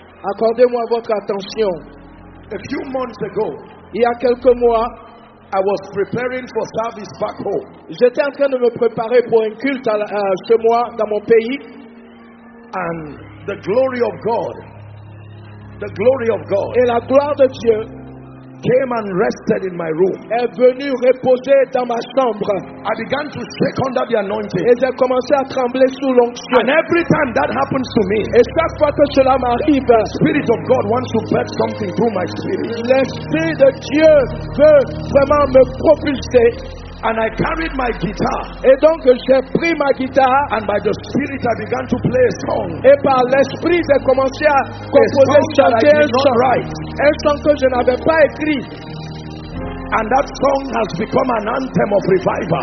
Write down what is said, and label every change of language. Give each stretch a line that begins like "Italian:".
French: Accordez-moi votre attention.
English: A few months ago,
French: Il y a quelques mois,
English: I was preparing for service back home.
French: J'étais en train de me préparer pour un culte chez moi dans mon pays.
English: And the glory of God, the glory of God,
French: et la gloire de Dieu,
English: came and rested in my room.
French: Est venu reposer dans ma chambre.
English: I began to shake under the anointing.
French: Et j'ai commencé à trembler sous l'onction.
English: And every time that happens to me,
French: et chaque fois que cela m'arrive,
English: the Spirit of God wants to birth something through my spirit.
French: L'Esprit de Dieu veut vraiment me propulser.
English: And I carried my guitar.
French: Et donc j'ai pris ma guitare.
English: And by the Spirit I began to play a song.
French: Et par l'Esprit j'ai commencé à composer, chanter un chant. Un chant que je n'avais pas écrit.
English: And that song has become an anthem of revival.